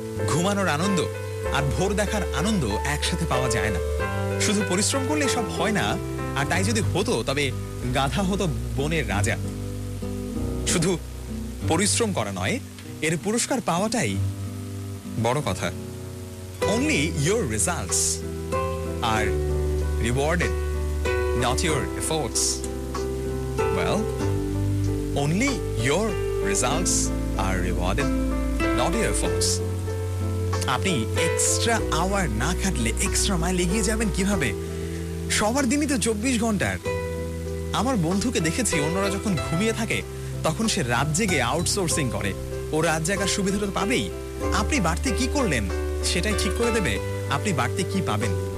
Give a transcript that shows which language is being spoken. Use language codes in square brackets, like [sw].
[bn] ঘুমানোর আনন্দ আর ভোর দেখার আনন্দ একসাথে পাওয়া যায় না, শুধু পরিশ্রম করলে সব হয় না, আর তাই যদি হতো তবে গাধা হতো বনের রাজা। শুধু পরিশ্রম করা নয়, এর পুরস্কার পাওয়াটাই বড় কথা। [en] Only your results are rewarded, not your efforts. Well, only your results are rewarded, not your efforts. [bn] আপনি এক্সট্রা আওয়ার না খাটলে এক্সট্রা মাইল এগিয়ে যাবেন কিভাবে? সবার দিনই তো 24 ঘন্টার। আমার বন্ধুকে দেখেছি, অন্যরা যখন ঘুমিয়ে থাকে তখন সে রাত জেগে আউটসোর্সিং করে, ও রাত জাগার সুবিধা তো পাবেই। আপনি বাড়তে কি করলেন সেটাই ঠিক করে দেবে আপনি বাড়তে কি পাবেন।